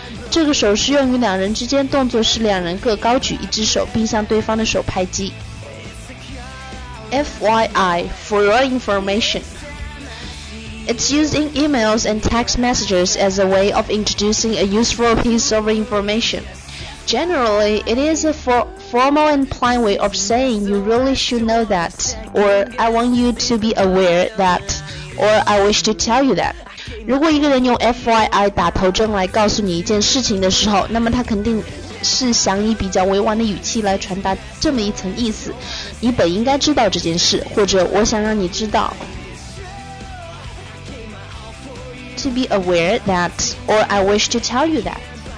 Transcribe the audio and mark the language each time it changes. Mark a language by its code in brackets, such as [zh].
[zh] 这个手势用于两人之间，动作是两人各高举一只手并向对方的手拍击。 [en] FYI, for your information, it's used in emails and text messages as a way of introducing a useful piece of information. Generally, it is a formal and plain way of saying you really should know that, or I want you to be aware that, or I wish to tell you that. [zh] 如果一个人用 FYI 打头阵来告诉你一件事情的时候，那么他肯定是想以比较委婉的语气来传达这么一层意思，你本应该知道这件事，或者我想让你知道。 [en] To be aware that, or I wish to tell you that.